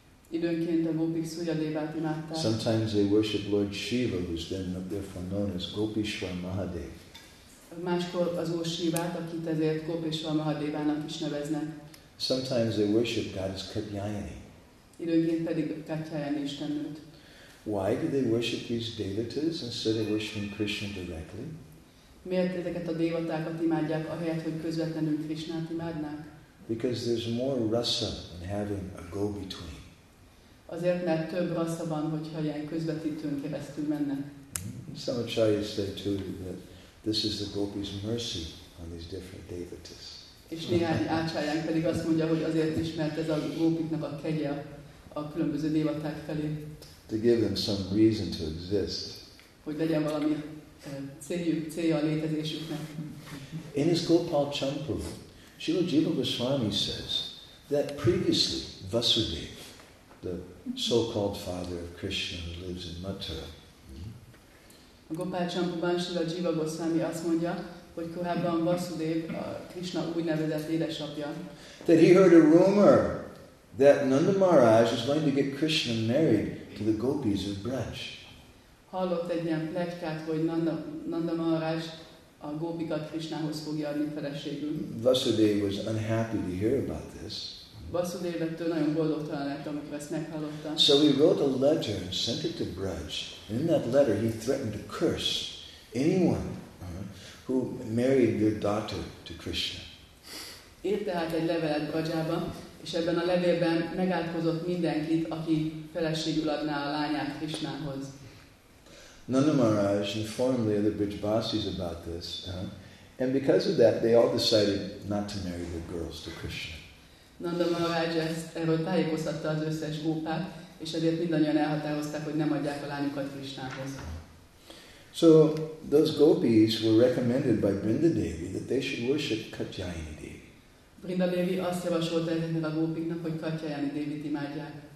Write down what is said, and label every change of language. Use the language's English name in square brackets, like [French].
[Hungarian] Időnként a gópik Suryadevát imádták. [English] Sometimes they worship Lord Shiva, who's then therefore known as Gopishwar Mahadev. [Hungarian] Máskor az Úr Sivát, akit ezért Gopishwar Mahadevának is neveznek. [English] Sometimes they worship goddess Katyayani. [Hungarian] Időnként pedig Katyayani istennőt. [English] Why do they worship these devatas instead of worshiping Krishna directly? [Hungarian] Miért ezeket a devatákat imádják, ahelyett, hogy közvetlenül Krishnát imádnák? [English] Because there's more rasa in having a go between. [Hungarian] Azért, mert több rasa van, hogyha ilyen közvetítőn keresztül mennek. [English] Some acharyas say too that this is the gopis' mercy on these different devatas. [Hungarian] És néhány ácsáján pedig azt mondja, hogy azért is, mert ez a gópiknak a kegye a különböző devaták felé. [English] To give them some reason to exist. [Hungarian] hogy legyen valami céljuk, célja a létezésüknek. [English] In his Gopal Champalu, Srila Jiva Goswami says that previously Vasudev, the so-called father of Krishna who lives in Mathura. [Hungarian] A Gopal Champalu-ban Srila Jiva Goswami azt mondja, hogy korábban Vasudev, a Krishna úgynevezett édesapja. [English] That he heard a rumor that Nanda Maharaj is going to get Krishna married to the gopis of Braj. [Hungarian] Hallott egy ilyen plegykát, hogy Nanda Maharaj a gópikat Krishnához fogja adni feleségül. [English] Vasudev was unhappy to hear about this. [Hungarian] Vasudev ettől nagyon boldogtalan lett, amikor ezt meghallotta. [English] So he wrote a letter and sent it to Braj. And in that letter he threatened to curse anyone who married their daughter to Krishna. [Hungarian] Írt tehát egy levelet Brajába, és ebben a levélben megátkozott mindenkit, aki feleségül adná a lányát Krishnához. [English] Nanda Maharaj informed the other Brijbasis about this, and because of that, they all decided not to marry the girls to Krishna. [Hungarian] Nanda Maharaj erről tájékoztatta az összes gópát, és ezért mindannyian elhatározták, hogy nem adják a lányukat Krishnához. [English] So those gopis were recommended by Brindadevi that they should worship Katyayani Devi. [Hungarian] Brindadevi azt javasolta ezeknek a gópiknak, hogy Katyayani Devit imádják.